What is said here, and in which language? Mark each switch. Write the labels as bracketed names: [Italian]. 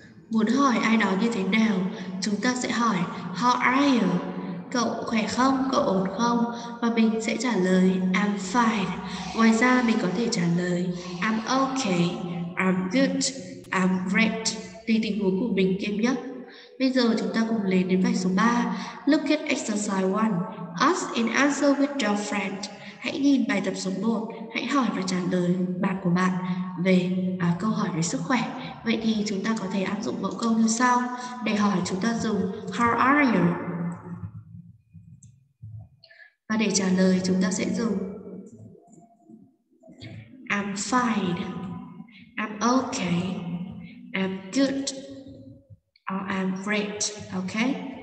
[Vietnamese] Muốn hỏi ai đó như thế nào, chúng ta sẽ hỏi [English] How are you? [Vietnamese] Cậu khỏe không? Cậu ổn không? Và mình sẽ trả lời [English] I'm fine. [Vietnamese] Ngoài ra mình có thể trả lời [English] I'm okay, I'm good, I'm great. [Vietnamese] Tùy tình huống của mình kém nhất. Bây giờ chúng ta cùng lên đến bài số 3. [English] Look at exercise 1. Ask and answer with your friend. [Vietnamese] Hãy nhìn bài tập số 1, hãy hỏi và trả lời bạn của bạn về câu hỏi về sức khỏe. Vậy thì chúng ta có thể áp dụng mẫu câu như sau. Để hỏi chúng ta dùng [English] How are you? [Vietnamese] Và để trả lời chúng ta sẽ dùng [English] I'm fine, I'm okay, I'm good, or I'm great, okay?